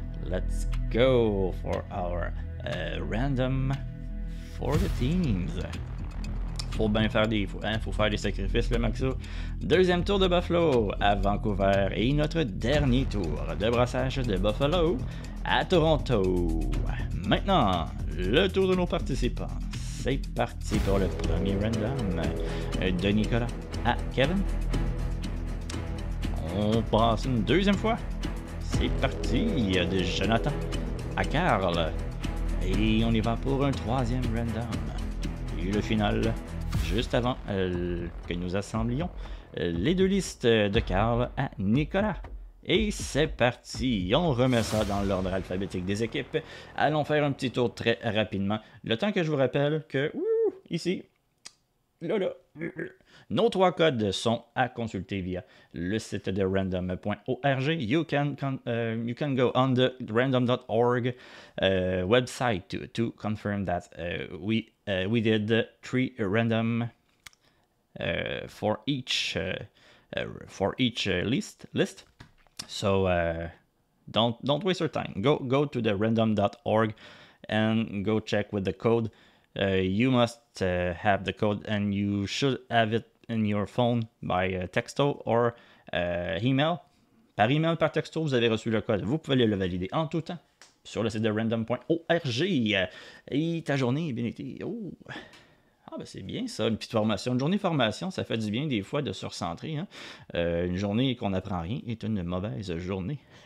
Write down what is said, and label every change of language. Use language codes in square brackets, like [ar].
[en] Let's go for our random for the teams. [fr] Faut bien faire faut faire des sacrifices, le Maxo. Deuxième tour de Buffalo à Vancouver et notre dernier tour de brassage de Buffalo à Toronto. Maintenant, le tour de nos participants. C'est parti pour le premier random de Nicolas à Kevin. On passe une deuxième fois. C'est parti de Jonathan à Karl. Et on y va pour un troisième random. Et le final, juste avant que nous assemblions les deux listes de Karl à Nicolas. Et c'est parti, on remet ça dans l'ordre alphabétique des équipes. Allons faire un petit tour très rapidement. Le temps que je vous rappelle que, ici, là, nos trois codes sont à consulter via le site de random.org. [en] You can go on the random.org website to confirm that we did three random for each list. So don't waste your time. Go to the random.org and go check with the code. You must have the code, and you should have it in your phone by texto or email. [fr] Par email, par texto, vous avez reçu le code. Vous pouvez le valider en tout temps sur le site de random.org. Et ta journée est bien été. Oh. Ah ben c'est bien ça, une petite formation. Une journée formation, ça fait du bien des fois de se recentrer. Hein? Une journée qu'on n'apprend rien est une mauvaise journée.